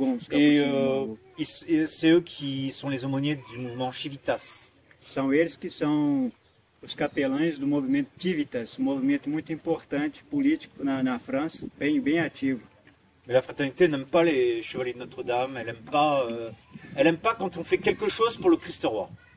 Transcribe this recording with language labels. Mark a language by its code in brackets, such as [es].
[fr] Et c'est eux qui sont les aumôniers du mouvement Civitas. [pt] São eles que são os capelães do movimento Civitas, um movimento muito importante político na França, bem ativo. [fr] Mais la fraternité n'aime pas les chevaliers de Notre-Dame, elle aime pas quand on fait quelque chose pour le Christ-Roi.